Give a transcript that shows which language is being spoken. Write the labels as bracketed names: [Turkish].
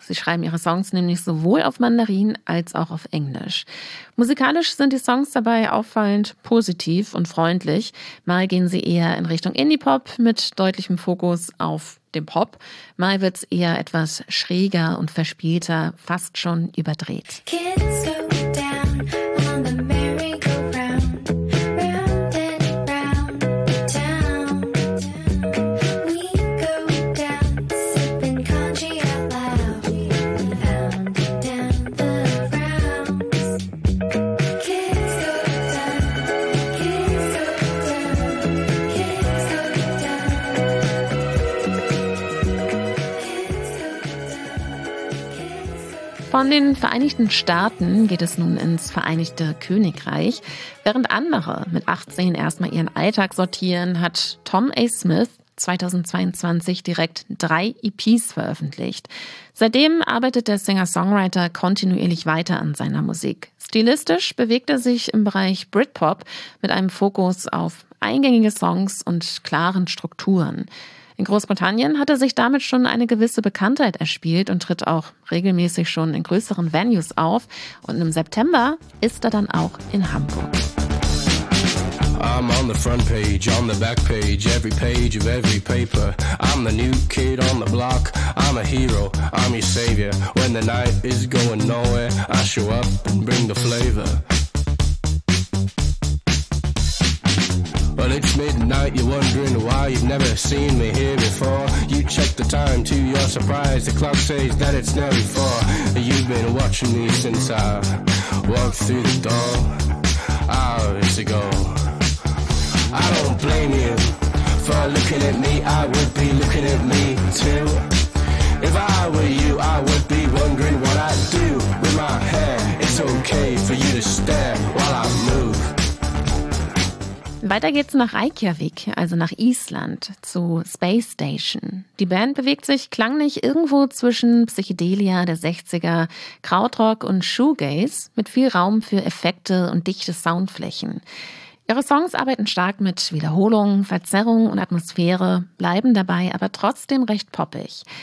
[German] Sie schreiben ihre Songs nämlich sowohl auf Mandarin als auch auf Englisch. Musikalisch sind die Songs dabei auffallend positiv und freundlich. Mal gehen sie eher in Richtung Indie-Pop mit deutlichem Fokus auf dem Pop. Mal wird es eher etwas schräger und verspielter, fast schon überdreht. [English] Kids go down on the merry-go-round, round and round the town. We go down sipping congee out loud, round and round the rounds. Kids go down, kids go down, kids go down. [German] Von den Vereinigten Staaten geht es nun ins Vereinigte Königreich. Während andere mit 18 erstmal ihren Alltag sortieren, hat Tom A. Smith 2022 direkt 3 EPs veröffentlicht. Seitdem arbeitet der Singer-Songwriter kontinuierlich weiter an seiner Musik. Stilistisch bewegt er sich im Bereich Britpop mit einem Fokus auf eingängige Songs und klaren Strukturen. In Großbritannien hat er sich damit schon eine gewisse Bekanntheit erspielt und tritt auch regelmäßig schon in größeren Venues auf. Und im September ist er dann auch in Hamburg. [English] I'm on the front page, on the back page, every page of every paper. I'm the new kid on the block, I'm a hero, I'm your savior. When the night is going nowhere, I show up and bring the flavor. Well, it's midnight, you're wondering why you've never seen me here before. You check the time to your surprise, the clock says that it's now before. You've been watching me since I walked through the door hours ago. I don't blame you for looking at me, I would be looking at me too. If I were you, I would be wondering what I'd do with my hair. It's okay for you to stare while I move. [German] Weiter geht's nach Reykjavik, also nach Island, zu Space Station. Die Band bewegt sich klanglich irgendwo zwischen Psychedelia der 60er, Krautrock und Shoegaze mit viel Raum für Effekte und dichte Soundflächen. Ihre Songs arbeiten stark mit Wiederholung, Verzerrung und Atmosphäre, bleiben dabei aber trotzdem recht poppig.